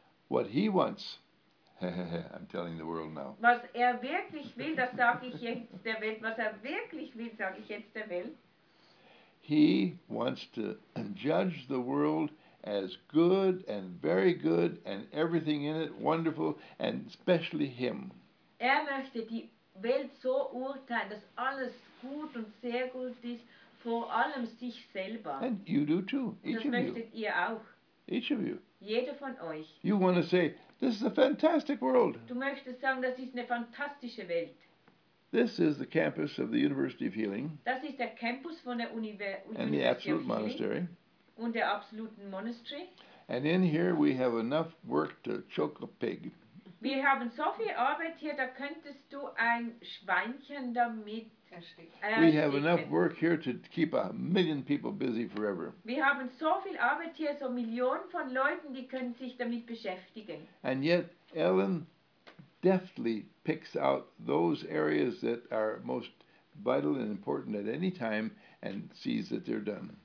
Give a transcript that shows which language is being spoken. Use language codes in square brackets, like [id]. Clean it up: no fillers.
[en] What he wants, I'm telling the world now. [de] Was er wirklich will, das sage ich jetzt der Welt. Was er wirklich will, sage ich jetzt der Welt. [en] He wants to judge the world as good and very good and everything in it wonderful and especially him. [de] Er möchte die Welt so urteilen, dass alles gut und sehr gut ist, vor allem sich selber. [en] And you do too, each [de] das [en] of [de] möchtet [en] you. [de] Ihr auch. [en] Each of you. [de] Jeder von euch. [en] You want to say, this is a fantastic world. [de] Du möchtest sagen, das ist eine fantastische Welt. [en] This is the campus of the University of Healing. [de] Das ist der Campus von der Universität. [en] And the Absolute Monastery. [de] Und der absoluten Monastery. [en] And in here we have enough work to choke a pig. [de] Wir haben so viel Arbeit hier, da könntest du ein Schweinchen damit ersticken. [en] We have enough work here to keep a million people busy forever. [de] Wir haben so viel Arbeit hier, so Millionen von Leuten, die können sich damit beschäftigen. [en] And yet, Ellen deftly picks out those areas that are most vital and important at any time and sees that they're done.